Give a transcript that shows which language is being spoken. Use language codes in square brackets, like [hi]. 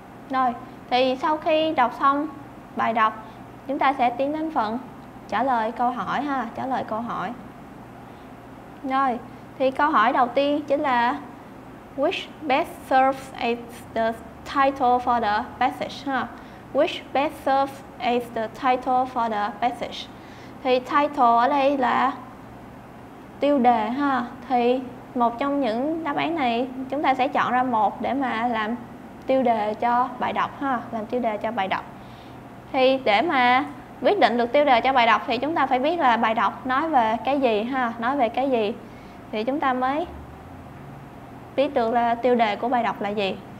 [vi] Rồi, thì sau khi đọc xong bài đọc, chúng ta sẽ tiến đến phần trả lời câu hỏi ha, trả lời câu hỏi. Rồi, Thì câu hỏi đầu tiên chính là [en] which best serves as the title for the passage, huh? Which best serves as the title for the passage? [vi] Thì title ở đây là tiêu đề ha. Thì một trong những đáp án này chúng ta sẽ chọn ra một để mà làm tiêu đề cho bài đọc ha, làm tiêu đề cho bài đọc. Thì để mà quyết định được tiêu đề cho bài đọc thì chúng ta phải biết là bài đọc nói về cái gì ha, nói về cái gì thì chúng ta mới biết được là tiêu đề của bài đọc là gì.